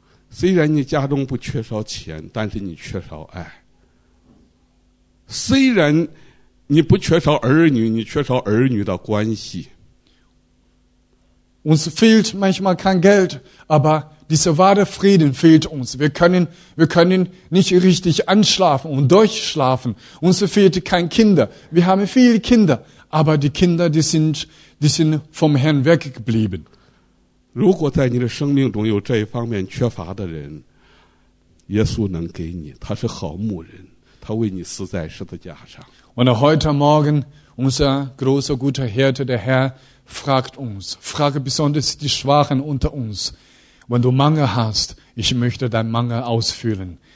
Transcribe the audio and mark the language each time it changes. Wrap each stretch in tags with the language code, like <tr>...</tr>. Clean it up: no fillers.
<zh>虽然你家中不缺少钱，但是你缺少爱。虽然你不缺少儿女，你缺少儿女的关系。</zh> <de>Uns fehlt manchmal kein Geld, aber dieser wahre Frieden fehlt uns. Wir können nicht richtig einschlafen und durchschlafen. Uns fehlt kein Kinder. Wir haben viele Kinder, aber die Kinder, die sind vom Herrn weggeblieben.</de> <zh>如果在你的生命中有这一方面缺乏的人，耶稣能给你，他是好牧人，他为你死在十字架上。</zh> <de>Und heute Morgen, unser großer guter Hirte, der Herr,frage besonders die Schwachen unter uns. Wenn du Mangel hast, ich möchte deinen Mangel ausfüllen.</de>